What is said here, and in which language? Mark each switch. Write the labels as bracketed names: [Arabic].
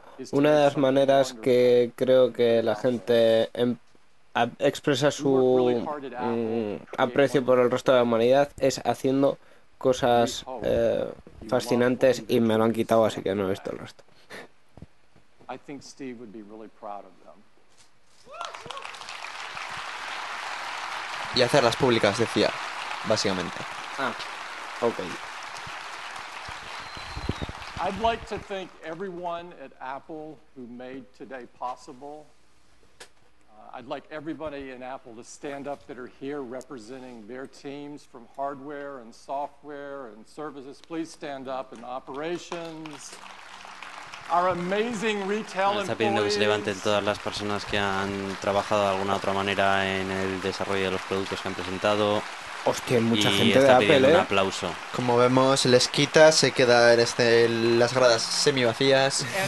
[Spanish] Una de las maneras que creo que la gente expresa su aprecio por el resto de la humanidad es haciendo cosas fascinantes, y me lo han quitado, así que no he visto el resto. [English] I think Steve would be really proud of them. [Spanish] Y hacerlas públicas, decía, básicamente. [English] Ah, okay. I'd like to thank everyone at Apple who made today possible. I'd like everybody in Apple to stand up that are here representing their teams from hardware and software and services. Please stand up in operations. Our amazing retail [Spanish] está pidiendo que se levanten todas las personas que han trabajado de alguna u otra manera en el desarrollo de los productos que han presentado. Hostia, mucha y gente está de Apple, pidiendo un aplauso. Como vemos, les quita, se queda en las gradas semi vacías.